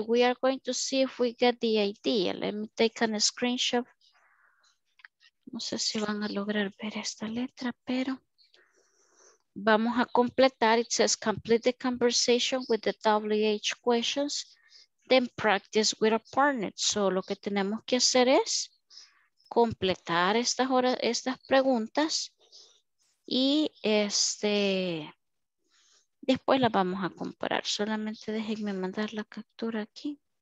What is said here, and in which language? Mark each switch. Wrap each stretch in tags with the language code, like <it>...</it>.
<en>We are going to see if we get the idea. Let me take a screenshot.</en> <es>No sé si van a lograr ver esta letra, pero vamos a completar.</es> <en>It says complete the conversation with the WH questions, then practice with a partner.</en> <es>So, lo que tenemos que hacer es completar estas preguntas y después la vamos a comparar. Solamente déjenme mandar la captura aquí.</es>